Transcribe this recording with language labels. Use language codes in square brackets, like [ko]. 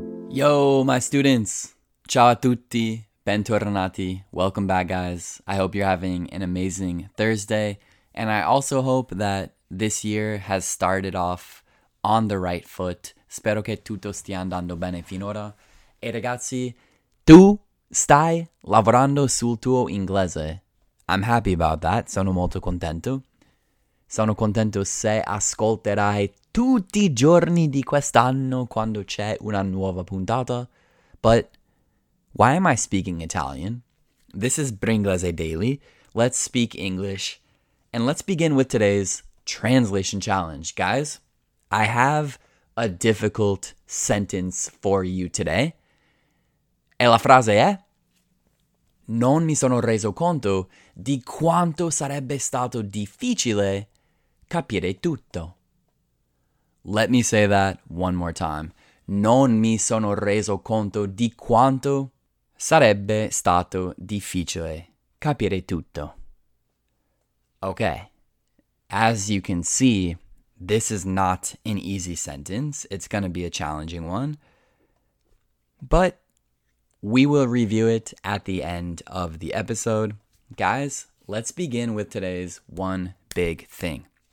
[en] Yo, my students. [it] Ciao a tutti. Bentornati. [en] Welcome back, guys. I hope you're having an amazing Thursday. And I also hope that this year has started off on the right foot. [it] Spero che tutto stia andando bene finora. E ragazzi, tu stai lavorando sul tuo inglese. [en] I'm happy about that. [it] Sono molto contento. Sono contento se ascolterai tutti i giorni di quest'anno quando c'è una nuova puntata. [en] But why am I speaking Italian? This is Bringlese Daily. Let's speak English. And let's begin with today's translation challenge. Guys, I have a difficult sentence for you today. [it] E la frase è: non mi sono reso conto di quanto sarebbe stato difficile capire tutto. [en] Let me say that one more time. [it] Non mi sono reso conto di quanto sarebbe stato difficile capire tutto. [en] Okay. As you can see, this is not an easy sentence. It's going to be a challenging one. But we will review it at the end of the episode. Guys, let's begin with today's one big thing.